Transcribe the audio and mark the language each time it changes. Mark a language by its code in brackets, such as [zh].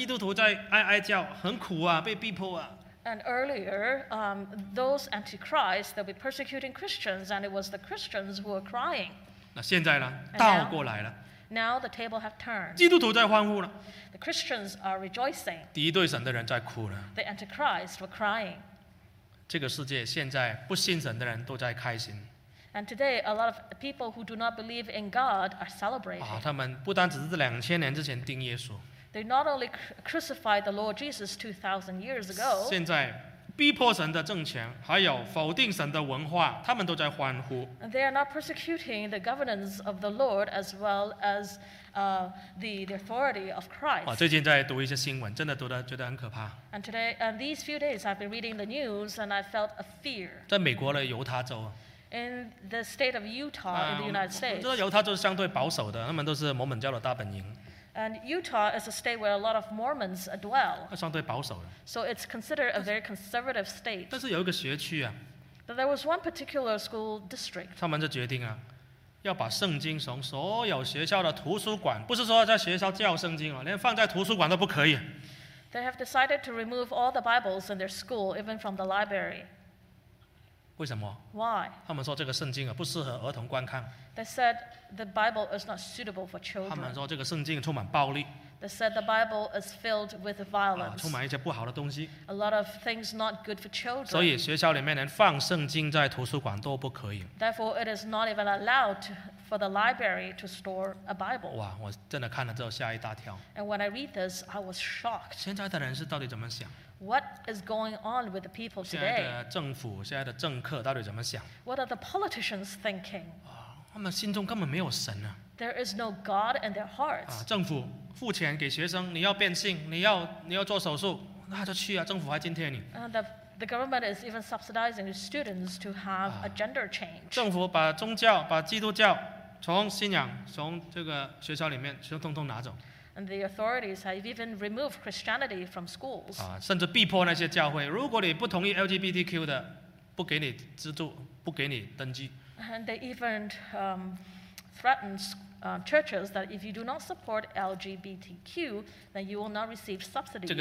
[zh] 刚刚之前那些敌对神的，这些不信的，他们在呼叫，那些基督徒在哀哀叫，很苦啊，被逼迫啊。 [en] And earlier, those antichrist they'll be persecuting Christians, and it was the Christians who were crying. [zh] 那现在呢？倒过来了。 [en] Now the table have turned. [zh] 基督徒在欢呼了, [en] the Christians are rejoicing. [zh] 敌对神的人在哭了, [en] the Antichrist were crying. [zh] 这个世界现在不信神的人都在开心。 [en] And today, a lot of people who do not believe in God are celebrating. [zh] 他们不单只是2000年之前钉耶稣, [en] they not only crucified the Lord Jesus 2,000 years ago. [zh] 现在, 逼迫神的政权，还有否定神的文化，他们都在欢呼。 [en] They are not persecuting the governance of the Lord as well as the authority of Christ. [zh] 最近在读一些新闻，真的读得觉得很可怕。 [en] And today, and these few days, I've been reading the news, and I felt a fear. [zh] 在美国的犹他州。 [en] In the state of Utah, in the United States. [zh] 我知道犹他州是相对保守的，他们都是摩门教的大本营。 [en] And Utah is a state where a lot of Mormons dwell. [zh] 相对保守的, [en] so it's considered a very conservative state. [zh] 但是有一个学区啊, [en] but there was one particular school district. [zh] 他们就决定啊, 要把圣经从所有学校的图书馆, 不是说在学校教圣经啊, 连放在图书馆都不可以。 [en] They have decided to remove all the Bibles in their school, even from the library. [zh] 为什么? [en] Why? [zh] 他们说这个圣经不适合儿童观看。 [en] They said the Bible is not suitable for children. [zh] 他们说这个圣经充满暴力。 [en] They said the Bible is filled with violence. [zh] 充满一些不好的东西。 [en] A lot of things not good for children. [zh] 所以学校里面连放圣经在图书馆都不可以。 [en] Therefore, it is not even allowed for the library to store a Bible. [zh] 哇，我真的看了之后吓一大跳。 [en] And when I read this, I was shocked. [zh] 现在的人是到底怎么想？ [en] What is going on with the people today? [zh] 现在的政府，现在的政客到底怎么想？ [en] What are the politicians thinking? [zh] 他们心中根本没有神啊。 [en] There is no God in their hearts. [zh] 政府付钱给学生，你要变性，你要做手术，那就去啊，政府还津贴你。 [en] The government is even subsidizing students to have a gender change. [zh] 政府把宗教，把基督教从信仰，从这个学校里面全通通拿走。 [en] And the authorities have even removed Christianity from schools. [zh] 甚至逼迫那些教会，如果你不同意 LGBTQ 的，不给你资助，不给你登记。 [en] And they even threatened churches that if you do not support LGBTQ, then you will not receive subsidies.